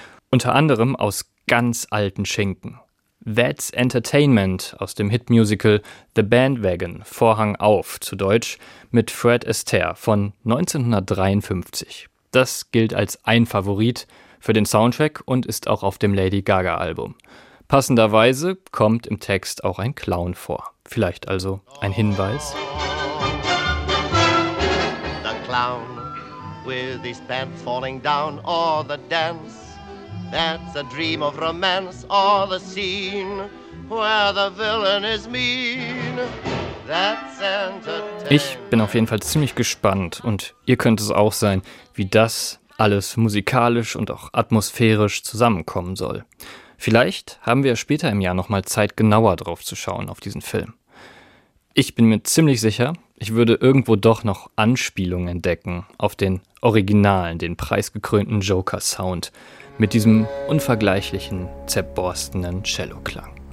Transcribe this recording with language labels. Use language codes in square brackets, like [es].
[de] Unter anderem aus ganz alten Schinken. That's Entertainment aus dem Hitmusical The Bandwagon, Vorhang auf zu Deutsch, mit Fred Astaire von 1953. Das gilt als ein Favorit für den Soundtrack und ist auch auf dem Lady Gaga-Album. Passenderweise kommt im Text auch ein Clown vor. Vielleicht also ein Hinweis. [en] The clown with his pants falling down or the dance. That's a dream of romance or the scene where the villain is mean. That's entertainment. [de] Ich bin auf jeden Fall ziemlich gespannt und ihr könnt es auch sein, wie das alles musikalisch und auch atmosphärisch zusammenkommen soll. Vielleicht haben wir später im Jahr nochmal Zeit, genauer drauf zu schauen auf diesen Film. Ich bin mir ziemlich sicher, ich würde irgendwo doch noch Anspielungen entdecken auf den originalen, den preisgekrönten Joker-Sound mit diesem unvergleichlichen, zerborstenen Cello-Klang.